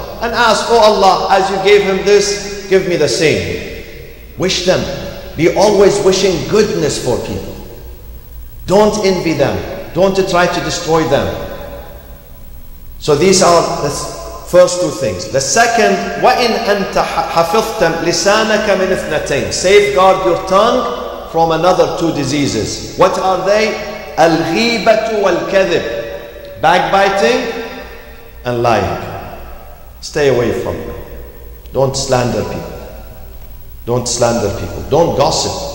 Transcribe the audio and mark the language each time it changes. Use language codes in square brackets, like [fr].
[en] And ask, oh Allah, as you gave him this, give me the same. Wish them. Be always wishing goodness for people. Don't envy them. Don't try to destroy them. So these are the first two things. The second, [ar] وَإِنْ أَنْتَ حَفِظْتَمْ لِسَانَكَ مِنْ اثْنَتَيْنِ. [en] Safeguard your tongue from another two diseases. What are they? [ar] الْغِيبَةُ وَالْكَذِبُ. [en] Backbiting and lying. Stay away from them. Don't slander people. Don't slander people. Don't gossip.